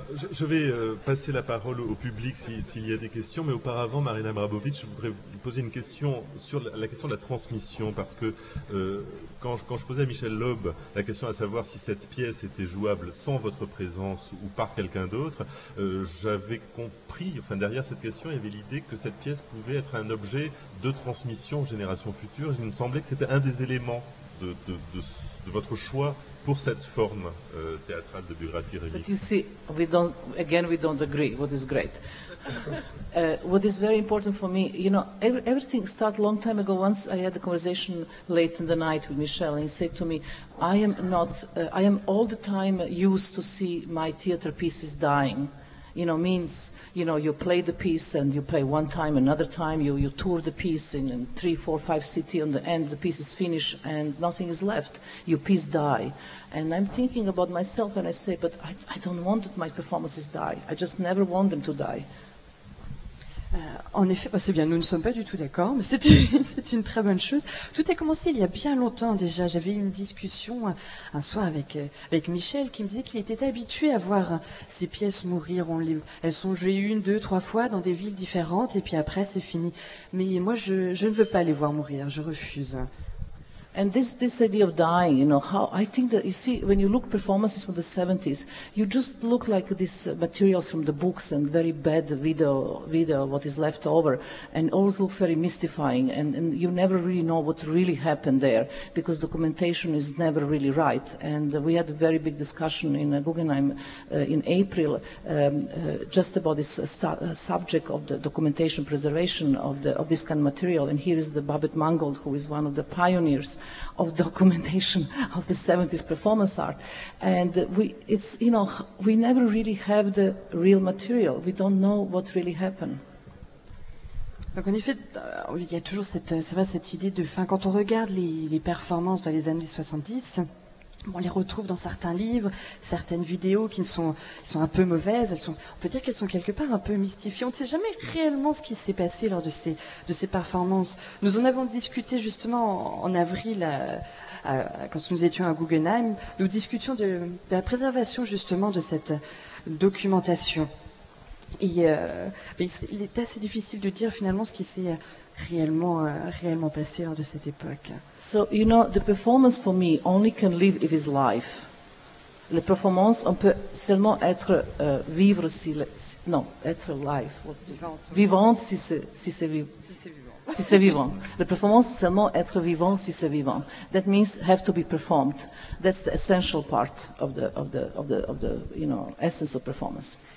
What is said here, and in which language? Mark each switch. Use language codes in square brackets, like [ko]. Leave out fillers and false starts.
[fr] Je vais passer la parole au public s'il y a des questions, mais auparavant, Marina Abramović, je voudrais vous poser une question sur la question de la transmission, parce que quand je posais à Michel Loeb la question à savoir si cette pièce était jouable sans votre présence ou par quelqu'un d'autre, j'avais compris, enfin derrière cette question, il y avait l'idée que cette pièce pouvait être un objet de transmission aux générations futures. Il me semblait que c'était un des éléments de votre choix pour cette forme théâtrale de biographie remix. [en] But you see, we don't agree what is great. What is very important for me, you know, everything started a long time ago. Once I had a conversation late in the night with Michel, and he said to me, I am all the time used to see my theater pieces dying. You know, means, you know, you play the piece and you play one time, another time, you tour the piece in 3, 4, 5 cities, on the end the piece is finished and nothing is left. Your piece die. And I'm thinking about myself and I say, but I don't want that my performances die. I just never want them to die. [fr] En effet, c'est bien, nous ne sommes pas du tout d'accord, mais c'est une très bonne chose. Tout a commencé il y a bien longtemps déjà. J'avais eu une discussion un soir avec Michel qui me disait qu'il était habitué à voir ses pièces mourir. Elles sont jouées 1, 2, 3 fois dans des villes différentes et puis après c'est fini. Mais moi, je ne veux pas les voir mourir, je refuse. [en] And this idea of dying, you know, how I think that, you see, when you look performances from the 70s, you just look like these materials from the books and very bad video, what is left over, and always looks very mystifying, and you never really know what really happened there, because documentation is never really right. And we had a very big discussion in Guggenheim in April just about this subject of the documentation preservation of this kind of material, and here is the Babette Mangold, who is one of the pioneers of documentation of the 70s performance art. And we never really have the real material. We don't know what really happened. [fr] Donc en effet, il y a toujours cette idée de, enfin, quand on regarde les performances dans les années 70, on les retrouve dans certains livres, certaines vidéos qui sont un peu mauvaises. On peut dire qu'elles sont quelque part un peu mystifiées. On ne sait jamais réellement ce qui s'est passé lors de ces performances. Nous en avons discuté justement en avril, quand nous étions à Guggenheim. Nous discutions de la préservation justement de cette documentation. Il est assez difficile de dire finalement ce qui s'est réellement passé lors de cette époque. [en] So, you know, the performance for me only can live if it's life. [fr] La performance, on peut seulement être vivre si... être [en] life. [fr] Vivante si c'est vivant. La performance, seulement être vivant si c'est vivant. [en] That means have to be performed. That's the essential part of the you know, essence of performance.